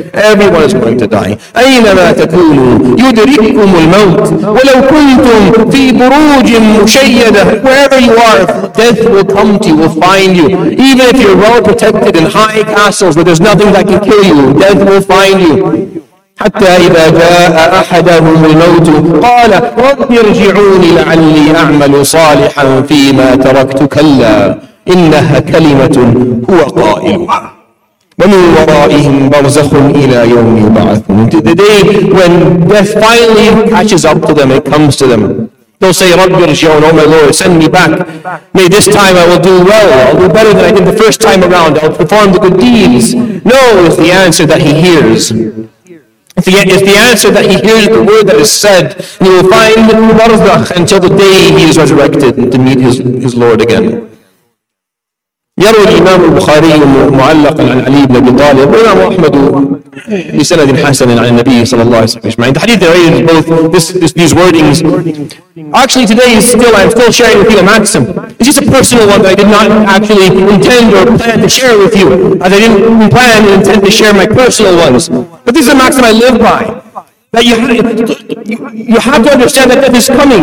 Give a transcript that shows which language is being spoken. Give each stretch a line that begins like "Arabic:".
English: Everyone is going to die.
Arabic: أَيْنَمَا تَكُونُوا يُدْرِكُمُ الْمَوْتِ وَلَوْ كُنْتُمْ فِي بُرُوجٍ مُشَيَّدَةٍ.
English: Wherever you are, death will come to you, will find you. Even if you're well protected in high castles where there's nothing that can kill you, death will find you.
Arabic: حَتَّى إِذَا جَاءَ أَحَدَهُمُ الْمَوْتُ قَالَ رَبِّ ارْجِعُونِ لَعَلِّي أَعْمَلُ صَالِحًا فِيمَا تَرَكْتُ كَلَّا إنها كلمة هو قائلها ومن ورائهم برزخ إلى يوم يبعثون.
English: To the day when death finally catches up to them, it comes to them, they'll say,
Arabic: رب ارجعون,
English: oh my Lord, send me back. May this time I will do well. I'll do better than I did the first time around. I'll perform the good deeds. No, is the answer that he hears. If the answer that he hears the word that is said, he will find barzakh until the day he is resurrected to meet his Lord again.
Arabic: يروي الإمام البخاري معلق العلي بن أبي طالب وإمام أحمد بسند حسن عن النبي صلى الله عليه وسلم.
English: The hadith narrated both these wordings. Actually, today is still, I'm still sharing with you a maxim. It's just a personal one that I did not actually intend or plan to share with you, as I didn't plan and intend to share my personal ones. But this is a maxim I live by. That you have to understand that death is coming.